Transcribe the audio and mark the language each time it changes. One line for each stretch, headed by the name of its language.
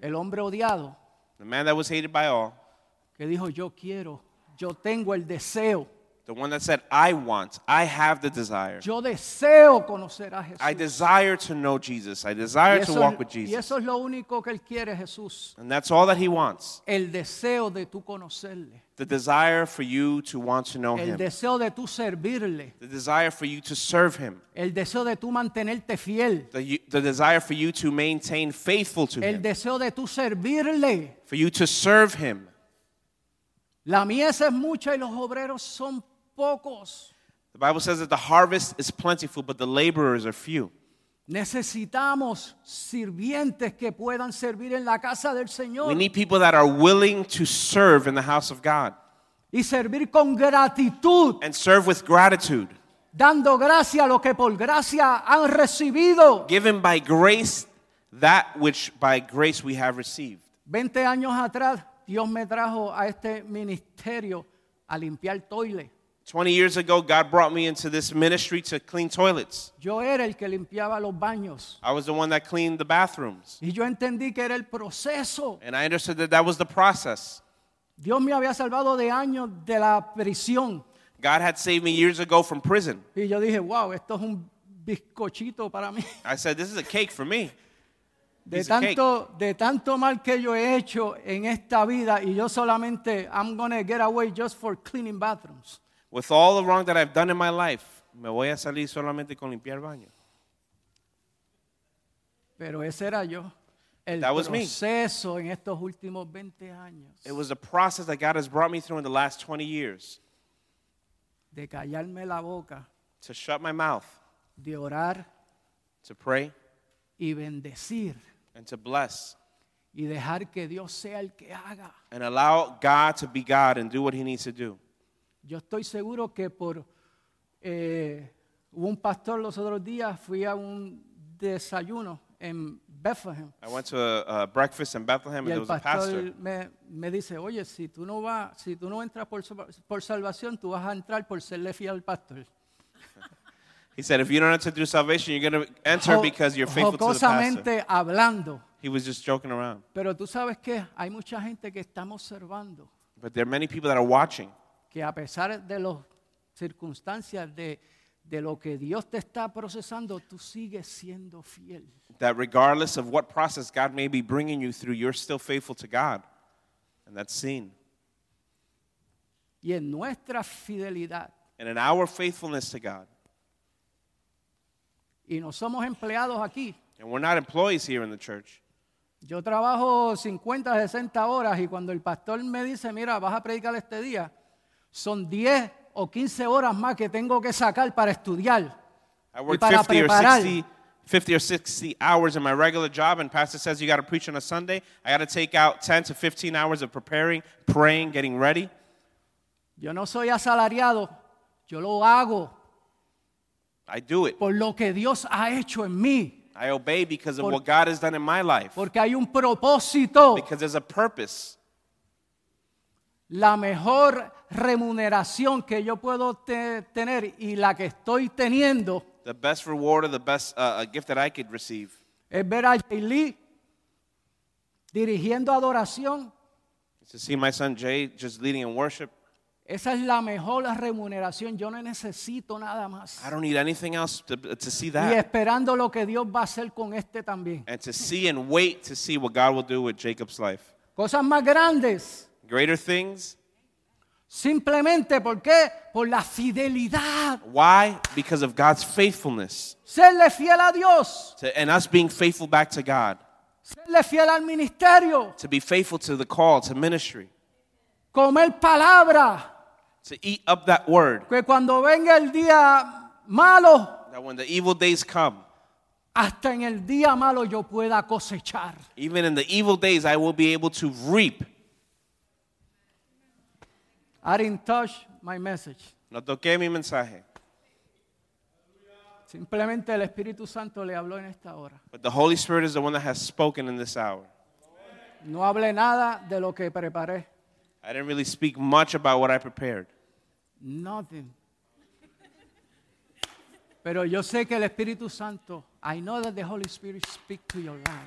Spanish: El hombre odiado.
English: The man that was hated by all.
Spanish: Que dijo, yo quiero. Yo tengo el deseo.
English: The one that said, I want, I have the desire.
Spanish: Yo deseo conocer a Jesús.
English: I desire to know Jesus. I desire to walk with Jesus.
Spanish: Y eso es lo único que él quiere, Jesús.
English: And that's all that he wants.
Spanish: El deseo de tú conocerle.
English: The desire for you to want to know
Spanish: el
English: him.
Spanish: Deseo de tú servirle.
English: The desire for you to serve him.
Spanish: El deseo de tú mantenerte fiel.
English: The desire for you to maintain faithful to
Spanish: el Deseo de tú servirle.
English: For you to serve him.
Spanish: La mies es mucha y los obreros son pocos.
English: The Bible says that the harvest is plentiful, but the laborers are few.
Spanish: Necesitamos sirvientes que puedan servir en la casa del Señor.
English: We need people that are willing to serve in the house of God.
Spanish: Y servir con gratitud.
English: And serve with gratitude.
Spanish: Dando gracia a lo que por gracia han recibido.
English: Given by grace that which by grace we have received.
Spanish: 20 años atrás. Dios me trajo a este ministerio a limpiar toilet.
English: 20 years ago, God brought me into this ministry to clean toilets.
Spanish: Yo era el que limpiaba los baños.
English: I was the one that cleaned the bathrooms.
Spanish: Y yo entendí que era el proceso.
English: And I understood that that was the process.
Spanish: Dios me había salvado de años de la prisión.
English: God had saved me years ago from prison.
Spanish: Y yo dije, wow, esto es un bizcochito para mí.
English: I said, this is a cake for me.
Spanish: De tanto mal que yo he hecho en esta vida y yo solamente
English: I'm gonna get away just for cleaning bathrooms. With all the wrong that I've done in my life,
Spanish: me voy a salir solamente con limpiar baño. Pero ese era yo. El
English: that was
Spanish: proceso
English: me.
Spanish: En estos últimos 20 años.
English: It was the process that God has brought me through in the last 20 years.
Spanish: De callarme la boca.
English: To shut my mouth.
Spanish: De orar.
English: To pray.
Spanish: Y bendecir.
English: And to bless.
Spanish: Y dejar que Dios sea el que haga.
English: And allow God to be God and do what he needs to do.
Spanish: Yo estoy seguro que por un pastor los otros días fui a un desayuno en Bethlehem.
English: I went to a breakfast in Bethlehem
Spanish: y pastor
English: a pastor.
Spanish: Me dice, oye, si tú no entras por salvación, tú vas a entrar por serle fiel al pastor.
English: He said, if you don't enter through salvation, you're going to enter because you're faithful to the pastor.
Spanish: Hablando.
English: He was just joking around.
Spanish: Pero tú sabes que hay mucha gente que estamos observando.
English: But there are many people that are watching.
Spanish: Que a pesar de las circunstancias de lo que Dios te está procesando, tú sigues siendo fiel.
English: That regardless of what process God may be bringing you through, you're still faithful to God. And that's seen.
Spanish: Y en nuestra fidelidad.
English: And in our faithfulness to God.
Spanish: Y no somos empleados aquí.
English: And we're not employees here in the church.
Spanish: Yo trabajo 50, 60 horas y cuando el pastor me dice, mira, vas a predicar este día, son 10 o 15 horas más que tengo que sacar para estudiar.
English: I work 50 or 60 hours in my regular job and pastor says you got to preach on a Sunday. I got to take out 10 to 15 hours of preparing, praying, getting ready.
Spanish: Yo no soy asalariado, yo lo hago.
English: I do it.
Spanish: Por lo que Dios ha hecho en mí.
English: I obey because of what God has done in my life.
Spanish: Porque hay un propósito.
English: Because there's a purpose.
Spanish: La mejor remuneración que yo puedo tener y la que estoy teniendo.
English: The best reward or the best gift that I could receive.
Spanish: Es ver a Jay Lee dirigiendo adoración.
English: It's to see my son Jay just leading in worship.
Spanish: Esa es la mejor remuneración. Yo no necesito nada más.
English: I don't need anything else to see that.
Spanish: Y esperando lo que Dios va a hacer con este también.
English: And to see and wait to see what God will do with Jacob's life.
Spanish: Cosas más grandes.
English: Greater things.
Spanish: Simplemente, ¿por qué? Por la fidelidad.
English: Why? Because of God's faithfulness.
Spanish: Serle fiel a Dios.
English: And us being faithful back to God.
Spanish: Serle fiel al ministerio.
English: To be faithful to the call, to ministry.
Spanish: Comer palabra.
English: to eat up that word.
Spanish: Que cuando venga el día malo,
English: that when the evil days come,
Spanish: hasta en el día malo yo pueda cosechar.
English: Even in the evil days, I will be able to reap. I didn't touch my message.
Spanish: No toqué mi mensaje. Simplemente el Espíritu Santo le habló en esta hora.
English: But the Holy Spirit is the one that has spoken in this hour.
Spanish: No hablé nada de lo que preparé.
English: I didn't really speak much about what I prepared. Nothing.
Spanish: Pero yo sé que el Espíritu Santo,
English: I know that the Holy Spirit speaks to your life.